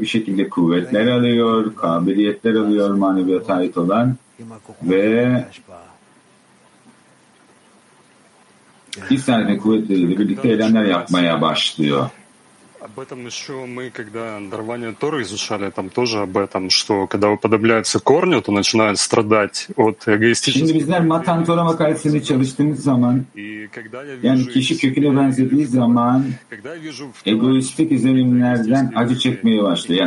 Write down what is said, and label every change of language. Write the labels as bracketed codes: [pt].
[tr] Bir şekilde kuvvetler alıyor, kabiliyetler alıyor maneviyata ait olan ve bir saniye kuvvetleriyle birlikte eylemler yapmaya başlıyor. [ru] Об этом еще мы, когда дарование Торы изучали, там тоже об этом, что когда уподобляется корню, то начинает страдать от эгоистичности. [tr] Şimdi bizler matan Torah makalesini çalıştığımız zaman, yani kişi köküne benzediği zaman, egoistik izlenimlerden acı çekmeye başlıyor.